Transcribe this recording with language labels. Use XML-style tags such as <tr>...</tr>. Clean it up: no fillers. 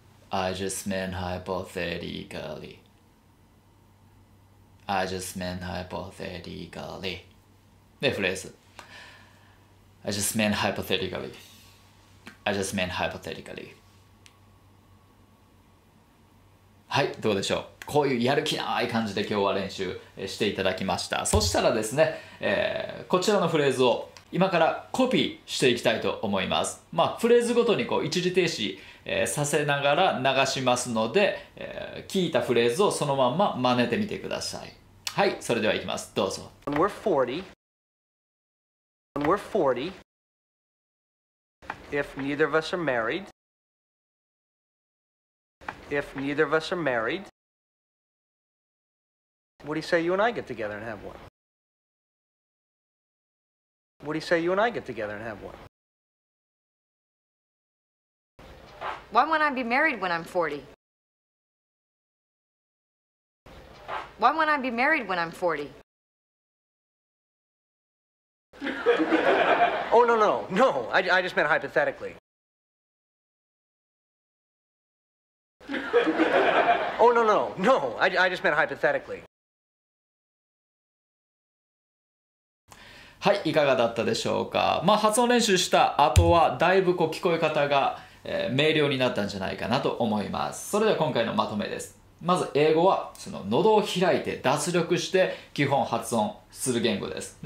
<en>I just meant hypothetically. I just meant hypothetically.</en> <ja>でフレーズ。</ja> <en>I just meant hypothetically. I just meant hypothetically.</en> <ja>はい、どうでしょう。こういうやる気ない感じで今日は練習していただきました。そしたらですね、こちらのフレーズを今からコピーしていきたいと思います。まあフレーズごとにこう一時停止させながら流しますので、聞いたフレーズをそのまま真似てみてください。はい、それではいきます。どうぞ。</ja> <en>When we're 40 When we're 40 If neither of us are married If neither of us are married What do you say you and I get together and have one? What do you say you and I get together and have one? Why won't I be married when I'm 40? Why won't I be married when I'm 40? Oh, no. I just meant hypothetically. Oh, no. I just meant hypothetically.</en> <ja>はい、いかがだったでしょうか。まあ発音練習した後はだいぶこう聞こえ方が、明瞭になったんじゃないかなと思います。それでは今回のまとめです。まず英語はその喉を開いて脱力して基本発音する言語です。</ja>